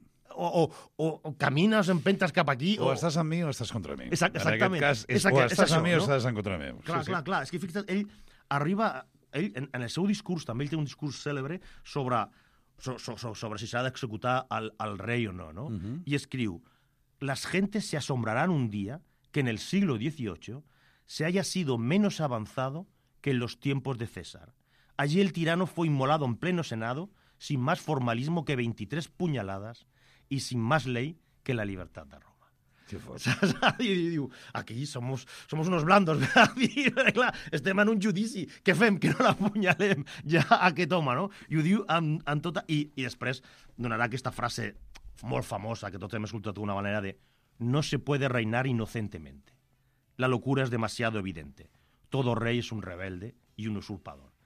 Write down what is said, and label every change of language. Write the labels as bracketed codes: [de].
[ca] O camines, empentes cap aquí... O estàs amb mi o estàs contra mi. Exactament. En aquest cas, o estàs en contra meu. Clar, sí, clar, sí. Clar. És que fixa't, ell arriba... Ell, en el seu discurs, també ell té un discurs cèlebre sobre si s'ha d'executar el rei o no, no? Uh-huh. I escriu, [es] las gentes se asombrarán un día que en el siglo XVIII se haya sido menos avanzado que en los tiempos de César. Allí el tirano fue inmolado en pleno Senado sin más formalismo que 23 puñaladas y sin más ley que la libertad de Roma. [ca] Qué fort. I diu, [es] aquí somos unos blandos, ¿verdad? [ca] I, clar, estem en un judici. Què fem? Que no l'apunyalem ja a aquest home, no? I ho diu amb tota... I després donarà aquesta frase molt famosa que tots hem escoltat d'una manera de... [es] No se puede reinar inocentemente. La locura es demasiado evidente. Todo rey es un rebelde y un usurpador.